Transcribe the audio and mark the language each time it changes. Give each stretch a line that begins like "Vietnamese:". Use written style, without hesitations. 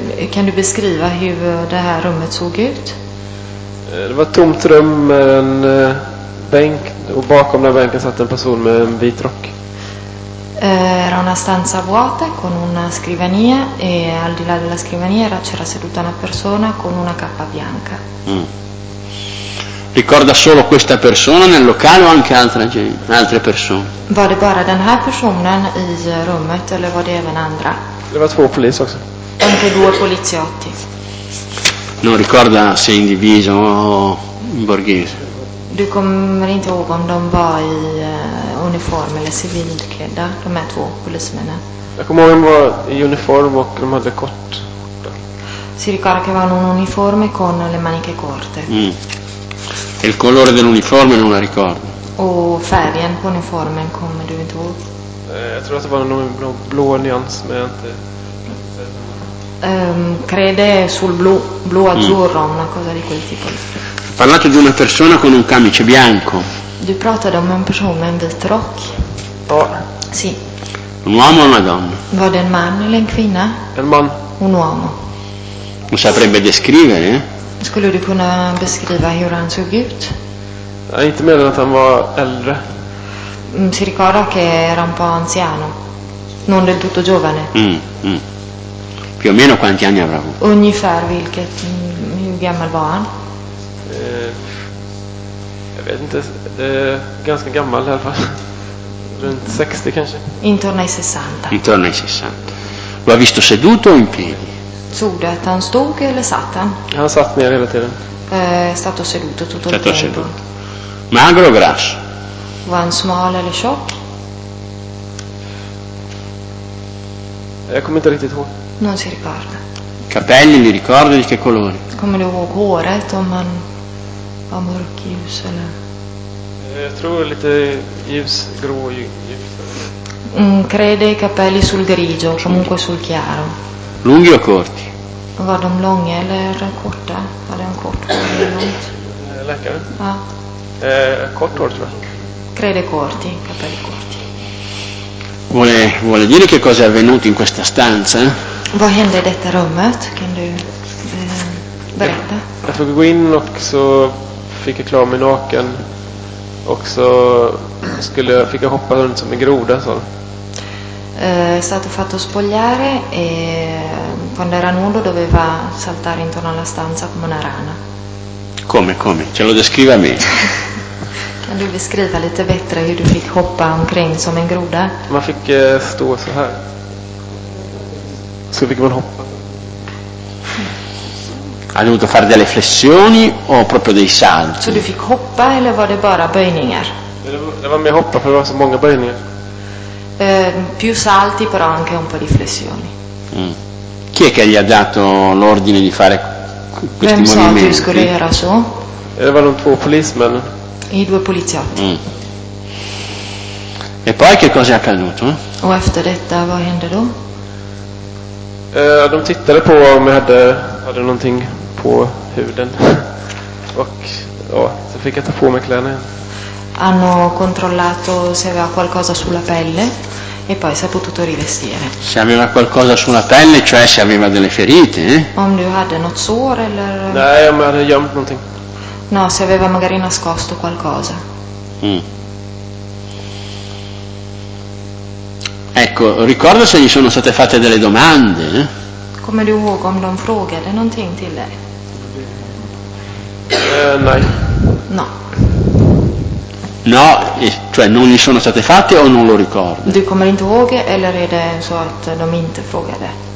Swedish: Kan du beskriva hur det här rummet såg ut? Det var ett tomt rum med en bänk och bakom den bänken satt en person med en vit rock.
Italian: Era una stanza vuota con una scrivania e al di là della scrivania c'era seduta una persona con una cappa bianca. Ricorda solo questa persona nel locale o anche altre persone?
Swedish: Var det bara den här personen i rummet eller var det även andra? Det var två poliser också.
Italian: Anche due poliziotti. Non ricorda se in divisa o in borghese?
Swedish: Du kommer inte ihåg om de var i uniform eller civilklädda, de här två polismännen. Jag kommer ihåg att de var i uniform och de hade kort.
Italian: Si ricorda che avevano un uniforme con le maniche corte. E il colore dell'uniforme non la ricordo.
Swedish: O färgen på uniformen kommer du inte ihåg? Jag tror att det var någon blå nyans, men jag inte.
Italian: Crede sul blu azzurro, una cosa di quel tipo. Parlate di una persona con un camice bianco.
Swedish: Du pratade om en person med en vit rock. Ja.
Italian: Sì. Un uomo o una donna?
Swedish: Var det en man eller en kvinna? En man.
Italian: Un uomo. Non saprebbe descrivere?
Swedish: Skulle du kunna beskriva hur han såg ut? Jag är inte med att han var äldre.
Italian: Si ricorda che era un po' anziano. Non del tutto giovane. Più o meno quanti anni avrà avuto?
Swedish: Ungefär vilket, hur gammal var han? Jag vet inte, ganska gammal i alla fall. Runt 60 kanske.
Italian: Intorno ai 60. Intorno ai 60. Lo ha visto seduto o in piedi?
Swedish: Såg du att han stod eller satt han? Han satt ner hela tiden.
Italian: Stato seduto tutto il tempo. Stato seduto. Magro o grasso?
Swedish: Var han smal eller tjock? Jag kommer inte riktigt ihåg.
Italian: Non si ricorda. Capelli li ricordi di che colore? Come lo cuore, Tomman, amorchius. Io trovo un po'
Swedish: ljus, grå ljus.
Italian: Crede i capelli sul grigio, comunque sul chiaro. Lunghi o corti?
Swedish: Var de långa eller korta? Var det en kort hår eller långt? Läkare? Ja. Kort hår, tror jag.
Italian: Crede corti, capelli corti. Vuole dire che cosa è avvenuto in questa stanza?
Swedish: Vad hände i detta rummet? Kan du berätta? Jag fick gå in och så fick jag klä mig naken. Och så fick jag hoppa runt som en groda. Så.
Italian: Stato fatto spogliare e quando era nudo doveva saltare intorno alla stanza come una rana. Come? Ce lo descriva a me.
Swedish: Kan du beskriva lite bättre hur du fick hoppa omkring som en groda? Man fick stå så här. Så fick man hoppa.
Italian: Ha dovuto fare delle flessioni o proprio dei salti?
Swedish: Så du fick hoppa eller var det bara böjningar? Det var mer hoppa för det var så många böjningar.
Italian: Più salti però anche un po' di flessioni. Chi è che gli ha dato l'ordine di fare questi movimenti? Non so, tu era so. Erano un po' policemen. I due poliziotti. E poi che cosa è accaduto?
Swedish: O efter detta, vad hände då? De tittade på om jag hade någonting på huden. Och ja, så fick jag ta på mig kläderna igen.
Italian: Hanno controllato se aveva qualcosa sulla pelle e poi si è potuto rivestire. Se aveva qualcosa sulla pelle, cioè se aveva delle ferite, eh?
Swedish: Om du hade något sår eller? Nej, om jag hade gömt någonting.
Italian: No, se aveva magari nascosto qualcosa. Ecco, ricordo se gli sono state fatte delle domande.
Swedish: Kommer du ihåg om de frågade någonting till dig? Nej.
Italian: No. No, cioè non gli sono state fatte o non lo ricordo.
Swedish: Du kommer inte ihåg eller är det så att de inte frågade?